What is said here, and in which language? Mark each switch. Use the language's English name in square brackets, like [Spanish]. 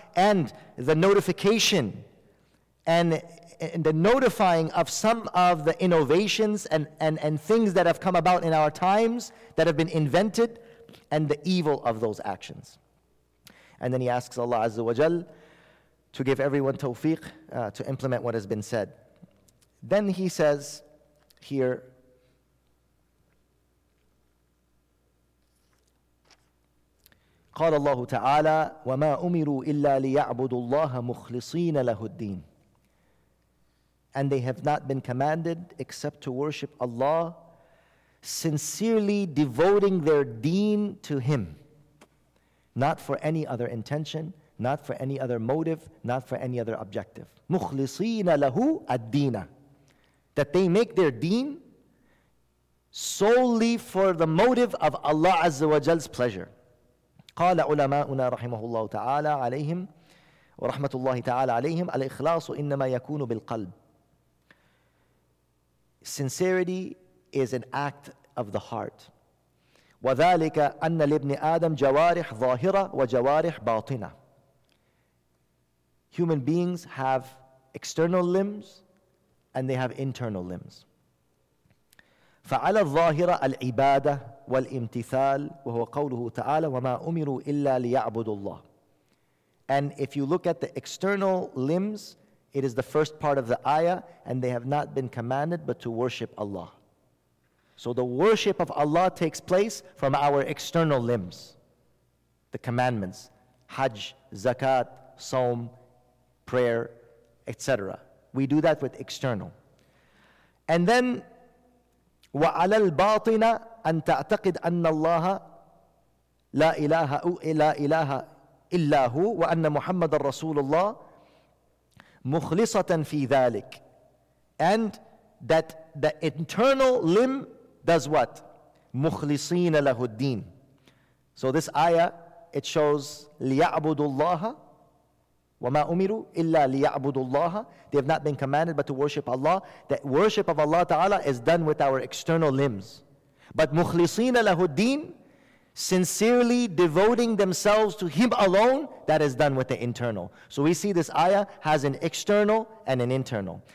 [English] And the notification and the notifying of some of the innovations and things that have come about in our times that have been invented, and the evil of those actions. And then he asks Allah Azza wa Jal to give everyone tawfiq to implement what has been said. Then he says here, [Arabic] قال الله تعالى وما أمروا إلا ليعبدوا الله مخلصين له الدين. [English] And they have not been commanded except to worship Allah, sincerely devoting their deen to Him, not for any other intention, not for any other motive, not for any other objective. [Arabic] مخلصين له الدين. [English] That they make their deen solely for the motive of Allah Azza wa Jal's pleasure. [Arabic] قال علماؤنا رحمه الله تعالى عليهم ورحمة الله تعالى عليهم الإخلاص إنما يكون بالقلب. [English] Sincerity is an act of the heart. [Arabic] وذلك أن لابن آدم جوارح ظاهرة وجوارح باطنة. [English] Human beings have external limbs and they have internal limbs. [Arabic] فعلى الظاهرة العبادة والامتثال وهو قوله تعالى وما أمروا إلا ليعبدوا الله. [English] And if you look at the external limbs, It is the first part of the ayah, and they have not been commanded but to worship Allah. So the worship of Allah takes place from our external limbs. The commandments, hajj, zakat, sawm, prayer, etc. We do that with external. And then, [Arabic] وَعَلَى الْبَاطِنَ أَن تَعْتَقِدْ أَنَّ اللَّهَ لَا إِلَهَ إِلَّا هُ وَأَنَّ مُحَمَّدًا رَسُولُ اللَّهِ مُخْلِصَةً فِي ذَلِكَ. [English] And that the internal limb does what? [Arabic] مُخْلِصِينَ لَهُ الدِّينَ. [English] So this ayah, it shows [Arabic] لِيَعْبُدُ اللَّهَ وَمَا أُمِرُوا إِلَّا لِيَعْبُدُوا اللَّهَ. [English] They have not been commanded but to worship Allah. That worship of Allah Ta'ala is done with our external limbs. But [Arabic] مُخْلِصِينَ لَهُ الدِّينَ, [English] sincerely devoting themselves to Him alone, that is done with the internal. So we see this ayah has an external and an internal.